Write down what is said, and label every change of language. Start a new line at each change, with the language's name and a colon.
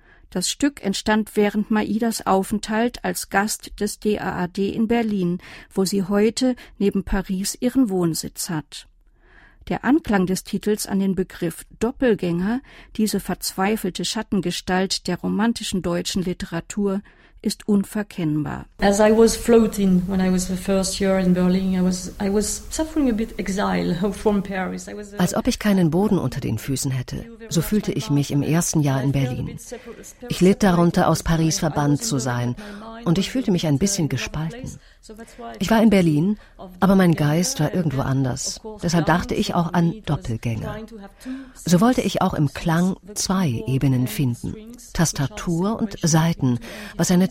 German: Das Stück entstand während Maidas Aufenthalt als Gast des DAAD in Berlin, wo sie heute neben Paris ihren Wohnsitz hat. Der Anklang des Titels an den Begriff Doppelgänger, diese verzweifelte Schattengestalt der romantischen deutschen Literatur, ist unverkennbar.
English: As I was floating when I was the first year in Berlin, I was suffering a bit exile from Paris.
German: Als ob ich keinen Boden unter den Füßen hätte. So fühlte ich mich im ersten Jahr in Berlin. Ich litt darunter, aus Paris verbannt zu sein, und ich fühlte mich ein bisschen gespalten. Ich war in Berlin, aber mein Geist war irgendwo anders. Deshalb dachte ich auch an Doppelgänger. So wollte ich auch im Klang zwei Ebenen finden: Tastatur und Saiten, was eine